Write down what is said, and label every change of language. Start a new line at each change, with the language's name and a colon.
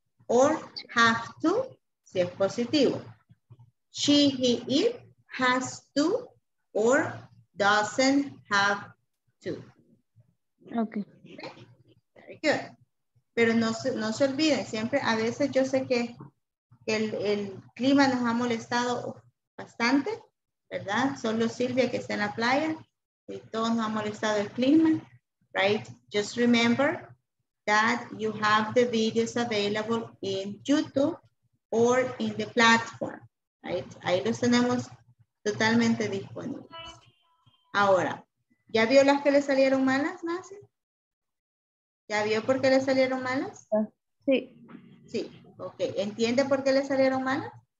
English: Or have to,
Spanish: si es positivo.
English: She, he, it, has to, or doesn't have to. Okay. Very good.
Spanish: Pero no se olviden, siempre, a veces yo sé que el clima nos ha molestado bastante, ¿verdad? Solo Silvia que está en la playa y todos nos ha molestado el clima, right?
English: Just remember that you have the videos available in YouTube or in the platform, right?
Spanish: Ahí los tenemos totalmente disponibles. Ahora, ¿ya vio las que le salieron malas, Nancy? ¿Ya vio por qué le salieron malas? Sí. Sí, ok. ¿Entiende por qué le salieron malas?